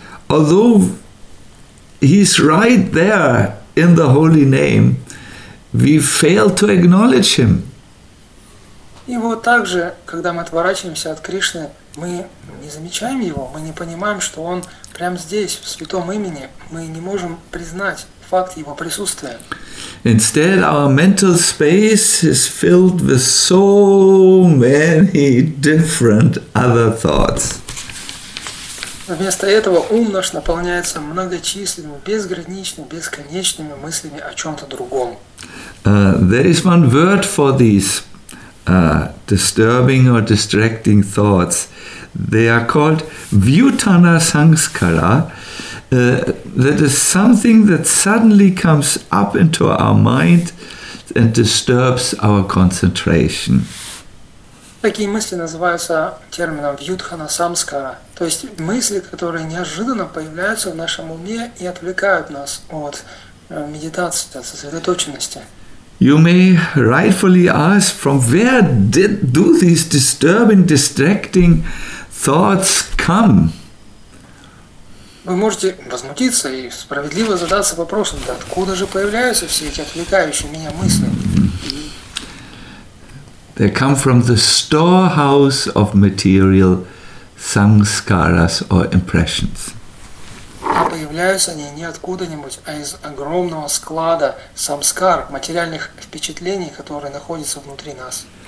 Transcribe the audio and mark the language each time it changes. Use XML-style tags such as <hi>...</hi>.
<en>Although he's right there in the holy name, we fail to acknowledge him.</en> <ru>И вот также, когда мы отворачиваемся от Кришны, мы не замечаем его, мы не понимаем, что он прямо здесь, в святом имени, мы не можем признать факт его присутствия.</ru> <en>Instead, our mental space is filled with so many different other thoughts.</en> <ru>Вместо этого ум наш наполняется многочисленными, безграничными, бесконечными мыслями о чем-то другом.</ru> <en>There is one word for these disturbing or distracting thoughts. They are called vyutana sanskara. That is something that suddenly comes up into our mind and disturbs our concentration.</en> <ru>Такие мысли называются термином вьюдхана самскара, то есть мысли, которые неожиданно появляются в нашем уме и отвлекают нас от медитации, от сосредоточенности.</ru> <en>You may rightfully ask, from where do these disturbing, distracting thoughts come?</en> <ru>Вы можете возмутиться и справедливо задаться вопросом, да откуда же появляются все эти отвлекающие меня мысли?</ru> <en>They come from the storehouse of material samskaras or impressions.</en> <ru>А появляются они не откуда-нибудь, а из огромного склада самскар, материальных впечатлений, которые находятся внутри нас.</ru>